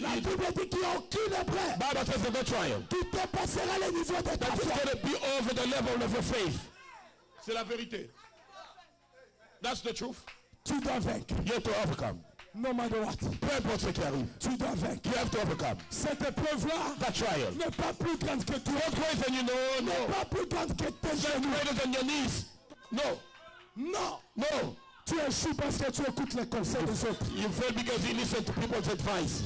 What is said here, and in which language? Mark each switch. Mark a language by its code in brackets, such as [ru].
[fr] La Bible dit qu'il n'y a aucune épreuve. [en] Bible says there's no trial. [fr] Tu te passeras le niveau de ta foi. [en] That is going to be over the level of your faith. [fr] C'est la vérité. [en] That's the truth. [fr] Tu dois vaincre. [en] You have to overcome. No matter what. [fr] Peu importe ce qui arrive. Tu dois vaincre. [en] You have to overcome. [fr] Cette épreuve-là. [en] That trial. [fr] N'est pas plus grande que toi. [en] Not greater than you. No, no. [fr] N'est pas plus grande que tes genoux. [en] Not greater than your knees. No. No. No. [fr] Tu échoues parce que tu écoutes les conseils des autres. [en] You fail because you listen to people's advice.